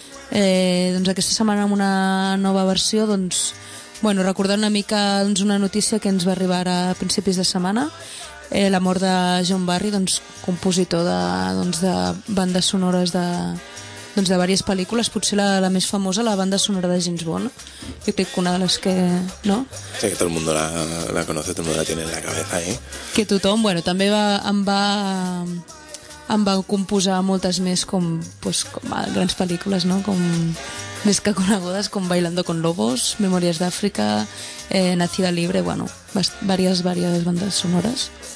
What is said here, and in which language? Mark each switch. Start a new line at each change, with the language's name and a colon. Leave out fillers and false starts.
Catalan: Doncs aquesta setmana amb una nova versió, doncs, bueno, recordant una mica doncs, una notícia que ens va arribar a principis de setmana, la mort de John Barry, doncs, compositor de bandes sonores de diverses pel·lícules, potser la més famosa, la banda sonora de James Bond. Jo crec que una de les que... No?
Spanish: Sí, que todo el mundo la conoce, todo el mundo la tiene en la cabeza, ¿eh?
Catalan: Que tothom, bueno, també em va composar moltes més com, pues, com grans pel·lícules, no? Com més que conegudes, com Bailando con Lobos, Memòries d'Àfrica, Nacida Libre, bueno, diverses bandes sonores.